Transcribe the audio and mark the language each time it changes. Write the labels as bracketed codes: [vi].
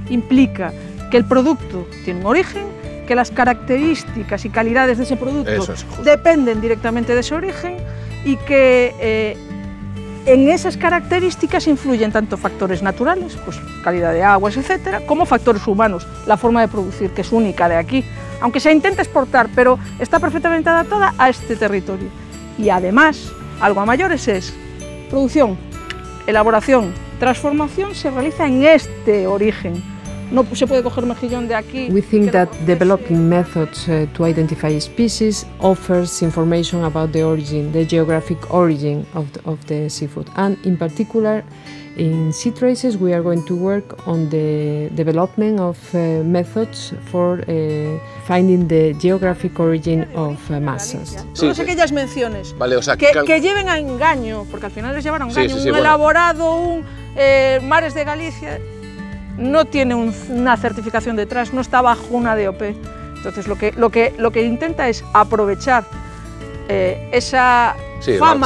[es] Implica que el producto tiene un origen, que las características y calidades de ese producto dependen directamente de ese origen, y que en esas características influyen tanto factores naturales, pues calidad de aguas, etcétera, como factores humanos, la forma de producir, que es única de aquí, aunque se intenta exportar, pero está perfectamente adaptada a este territorio. Y además, algo a mayores es producción, elaboración, transformación se realiza en este origen. No se puede coger mejillón de aquí. [en] We think that developing methods to identify species offers information about the origin, the geographic origin of the seafood. And in particular, in Sea Traces, we are going to work on the development of methods for finding the geographic origin of mussels. [es] Sí, todas aquellas menciones, vale, o sea, que lleven a engaño, porque al final les llevan a engaño, elaborado, mares de Galicia. No tiene una certificación detrás, no está bajo una DOP. Entonces, lo que intenta es aprovechar esa fama,